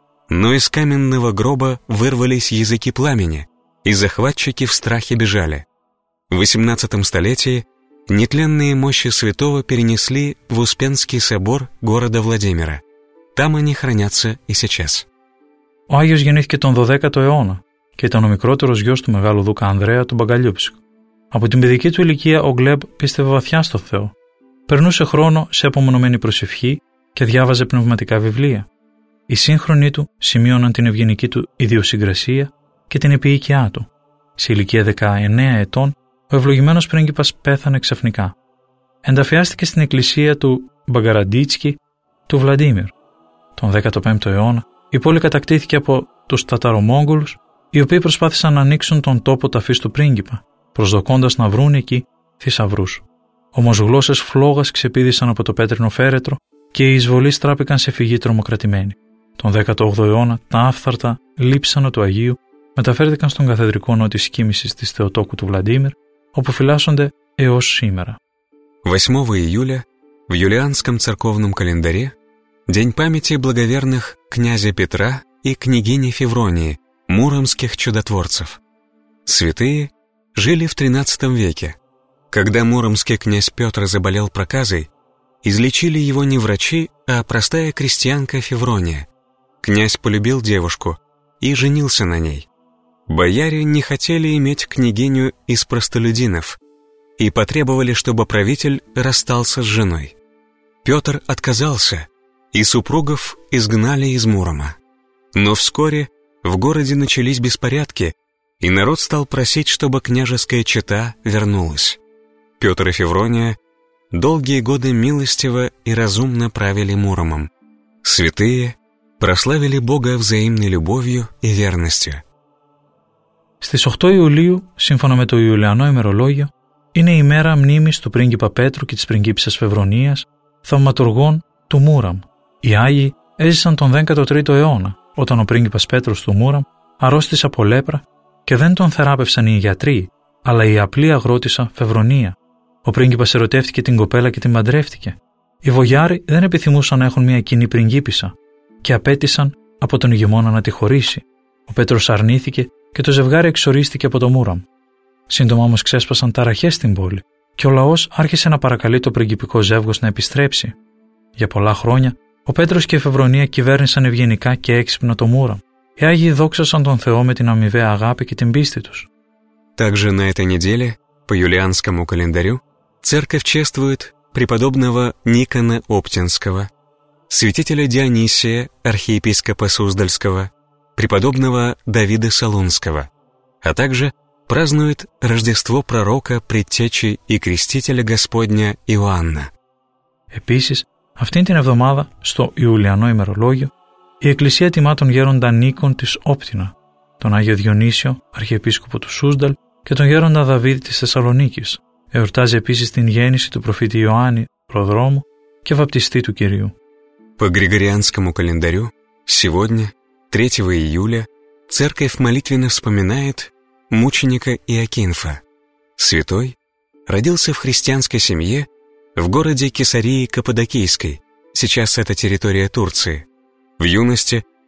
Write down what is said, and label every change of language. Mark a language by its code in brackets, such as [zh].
[ru] Но из каменного гроба вырвались языки пламени, и захватчики в страхе бежали. В 18 столетии нетленные мощи святого перенесли в Успенский собор города Владимира. Там они хранятся и сейчас. [el] Ο Άγιος γεννήθηκε τον 12ο αιώνα και ήταν ο μικρότερος γιος του μεγάλου δούκα Ανδρέα του Μπαγκαλιούπισκου. Από την παιδική του ηλικία ο Γκλεμπ πίστευε βαθιά στο Θεό. Περνούσε χρόνο σε απομονωμένη προσευχή και διάβαζε πνευματικά βιβλία. Οι σύγχρονοί του σημείωναν την ευγενική του ιδιοσυγκρασία και την επιοίκειά του. Σε ηλικία 19 ετών, ο ευλογημένος πρίγκιπας πέθανε ξαφνικά. Ενταφιάστηκε στην εκκλησία του Μπαγκαραντίτσκι του Βλαντίμιρ. Τον 15ο αιώνα, η πόλη κατακτήθηκε από τους Τατάρο-Μόγκολους, οι οποίοι προσπάθησαν να ανοίξουν τον τόπο ταφής του πρίγκιπα, προσδοκώντας να βρουν εκεί θησαυρούς. Όμως γλώσσες φλόγας ξεπήδησαν από το πέτρινο φέρετρο και οι εισβολείς στράπηκαν σε φυγή τρομοκρατημένοι. Τον 18ο αιώνα, τα άφθαρτα λείψανα του Αγίου μεταφέρθηκαν στον καθεδρικό νότης κοίμησης της Θεοτόκου του Βλαντίμιρ, όπου φυλάσσονται έως σήμερα. [ru] 8 Ιουλία, в юлианском церковном календаре, день памяти благоверных князя Петра и княгини Февронии, муромских чудотворцев. Святые жили в 13 веке. Когда муромский князь Петр заболел проказой, излечили его не врачи, а простая крестьянка Феврония. Князь полюбил девушку и женился на ней. Бояре не хотели иметь княгиню из простолюдинов и потребовали, чтобы правитель расстался с женой. Петр отказался, и супругов изгнали из Мурома. Но вскоре в городе начались беспорядки, и народ стал просить, чтобы княжеская чета вернулась. Петр и Феврония долгие годы милостиво и разумно правили Муромом. Святые прославили Бога взаимной любовью и верностью. [el] Στις 8 Ιουλίου, σύμφωνα με το Ιουλιανό ημερολόγιο, είναι η μέρα μνήμης του πρίγκιπα Πέτρου και της πριγκίπισσας Φευρονίας, θαυματουργών του Μούραμ. Οι Άγιοι έζησαν τον 13ο αιώνα, όταν ο πρίγκιπας Πέτρος του Μούραμ αρρώστησε από λέπρα και δεν τον θεράπευσαν οι γιατροί, αλλά η απλή αγρότησα Φευρονία. Ο πρίγκιπας ερωτεύτηκε την κοπέλα και την παντρεύτηκε. Οι βογιάροι δεν επιθυμούσαν να έχουν μια κοινή πριγκίπισσα και απέτησαν από τον ηγεμόνα να τη χωρίσει. Ο Πέτρος αρνήθηκε και το ζευγάρι εξορίστηκε από το Μούραμ. Σύντομα όμως ξέσπασαν ταραχές στην πόλη και ο λαός άρχισε να παρακαλεί το πριγκιπικό ζεύγος να επιστρέψει. Για πολλά χρόνια, ο Πέτρος και η Φευρονία κυβέρνησαν ευγενικά και έξυπνα το Μούραμ. Οι Άγιοι δόξασαν τον Θεό με την αμοιβαία αγάπη και την πίστη τους. [ru] Также на этой неделе, по юлианскому календарю, церковь чествует преподобного Никона Оптинского, святителя Дионисия, архиепископа Суздальского, преподобного Давида Солунского, а также празднует Рождество пророка, предтечи и крестителя Господня Иоанна. [el] Επίσης, αυτήν την εβδομάδα, στο Ιουλιανό ημερολόγιο, η Εκκλησία τιμά τον γέροντα Νίκον της Όπτινα, τον Άγιο Διονύσιο, αρχιεπίσκοπο του Σούσδαλ και τον γέροντα Δαβίδ της Θεσσαλονίκης. Εορτάζει επίσης την γέννηση του προφήτη Ιωάννη, προδρόμου και βαπτιστή του Κυρίου. [ru] По григорианскому календарю, сегодня, 3 июля, церковь молитвенно вспоминает мученика Иакинфа. Святой родился в христианской семье в городе Кесарии Каппадокийской, сейчас это территория Турции. В юности